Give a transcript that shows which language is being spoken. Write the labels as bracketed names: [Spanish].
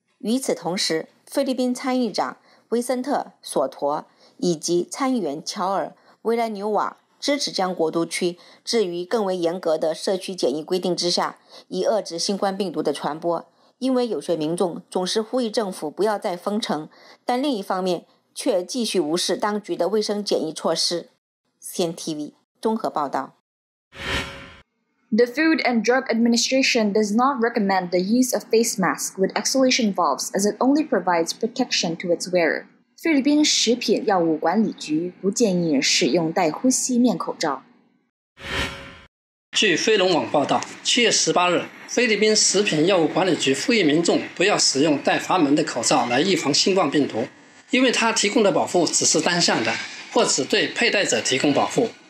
[Chinese] 与此同时，菲律宾参议长威森特·索陀以及参议员乔尔·维兰纽瓦支持将国都区置于更为严格的社区检疫规定之下，以遏制新冠病毒的传播。因为有些民众总是呼吁政府不要再封城，但另一方面却继续无视当局的卫生检疫措施。 CNTV 综合报道。 [English] The Food and Drug Administration does not recommend the use of face masks with exhalation valves as it only provides protection to its wearer. [Chinese] 菲律宾食品药物管理局不建议使用带呼吸面口罩。据飞龙网报道，7月18日，菲律宾食品药物管理局呼吁民众不要使用带阀门的口罩来预防新冠病毒，因为它提供的保护只是单向的，或只对佩戴者提供保护。